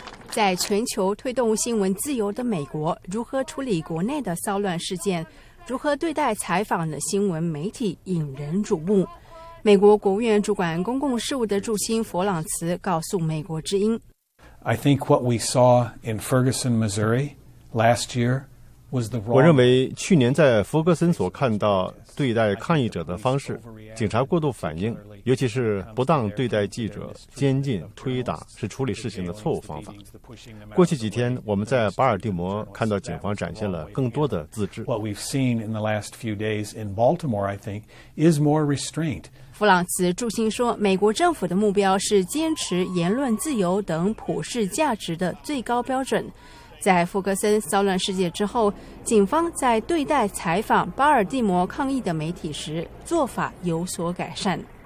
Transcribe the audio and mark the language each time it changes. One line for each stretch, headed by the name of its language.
Chinese: 在全球推动新闻自由的美国，如何处理国内的骚乱事件，如何对待采访的新闻媒体引人瞩目。美国国务院主管公共事务的驻青弗朗茨告诉美国之音，
English: I think what we saw in Ferguson, Missouri last year was the wrong.
Chinese: 我认为去年在弗格森所看到对待抗议者的方式，警察过度反应，尤其是不当对待记者，监禁、推打是处理事情的错误方法。过去几天，我们在巴尔的摩看到警方展现了更多的自制。
English: What we've seen in the last few days in Baltimore, I think, is more restraint.
Chinese: 弗朗茨驻青说，美国政府的目标是坚持言论自由等普世价值的最高标准。在弗格森骚乱事件之后，警方在对待采访巴尔的摩抗议的媒体时做法有所改善。